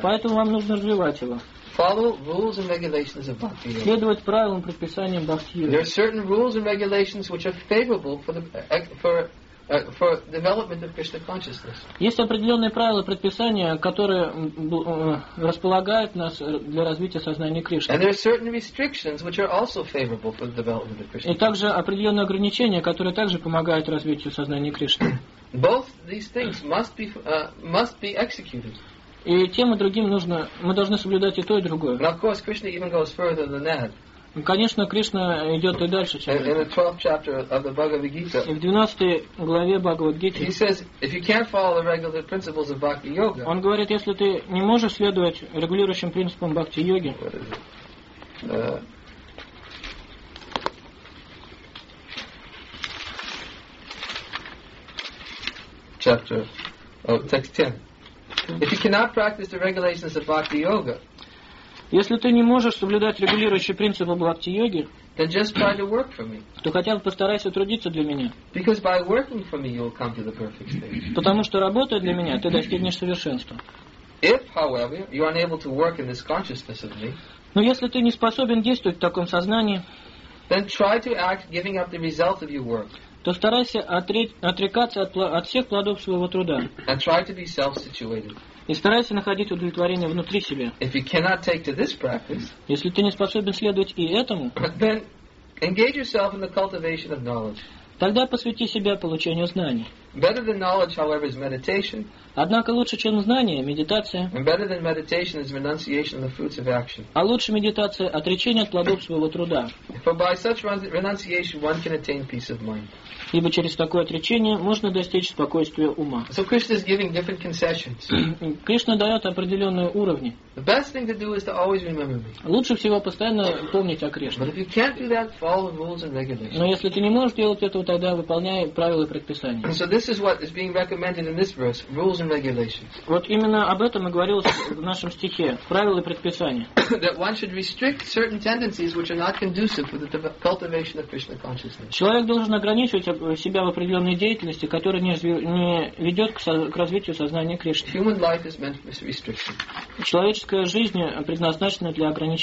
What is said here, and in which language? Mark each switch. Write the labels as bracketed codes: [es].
[ru] Поэтому вам нужно развивать его. [en] Follow rules and regulations of bhakti-yoga. [ru] Следовать правилам и предписаниям бхакти-йоги. [en] There are certain rules and regulations which are favorable for development of Krishna consciousness. [ru] Есть определенные правила предписания, которые располагают нас для развития сознания Кришны. [en] And there are certain restrictions which are also favorable for the development of Krishna. [ru] И также определенные ограничения, которые также помогают развитию сознания Кришны. [en] Both these things must be executed. [ru] И тем и другим нужно, мы должны соблюдать и то, и другое. [en] But of course, Krishna even goes further than that. [ru] Конечно, Кришна идет и дальше, чем [en] in the 12th chapter of the Bhagavad Gita. [ru] И в 12 главе Бхагавад Гиты. [en] He says, if you can't follow the regular principles of bhakti yoga. [ru] Он говорит, если ты не можешь следовать регулирующим принципам бхакти йоги. [en] Chapter text 10. If you cannot practice the regulations of bhakti yoga. [ru] Если ты не можешь соблюдать регулирующие принципы бхакти-йоги, то хотя бы постарайся трудиться для меня. [en] Because by working for me, you'll come to the perfect state. [ru] Потому что работая для меня, ты достигнешь совершенства. [en] If, however, you are unable to work in this consciousness of me, [ru] но если ты не способен действовать в таком сознании, [en] then try to act giving up the result of your work. [ru] То старайся отрекаться от всех плодов своего труда. [en] And try to be self-situated. [ru] И старайся находить удовлетворение внутри себя. [en] If you cannot take to this practice, [ru] если ты не способен следовать и этому, [en] then engage yourself in the cultivation of knowledge. [ru] Тогда посвяти себя получению знаний. [en] Better than knowledge, however, is meditation. [ru] Однако лучше, чем знание, медитация. [en] And better than meditation is renunciation of the fruits of action. [ru] А лучше медитация – отречение от плодов своего труда. [en] For by such renunciation one can attain peace of mind. [ru] Ибо через такое отречение можно достичь спокойствия ума. [en] So Krishna is giving different concessions. [ru] Кришна дает определенные уровни. [en] The best thing to do is to always remember me. [ru] Лучше всего постоянно помнить о Кришне. [en] But if you can't do that, follow rules and regulations. [ru] Но если ты не можешь делать этого, тогда выполняй правила и предписания. [en] So this is what is being recommended in this verse: rules and regulations. [ru] Вот именно об этом и говорилось в нашем стихе: правила и предписания. [en] That one should restrict certain tendencies which are not conducive for the cultivation of Krishna consciousness. [ru] Человек должен ограничивать себя в определенной деятельности, которая не ведет к развитию сознания Кришны. [en] Human life is meant for restriction. [ru] Человеческая жизнь предназначена для ограничения.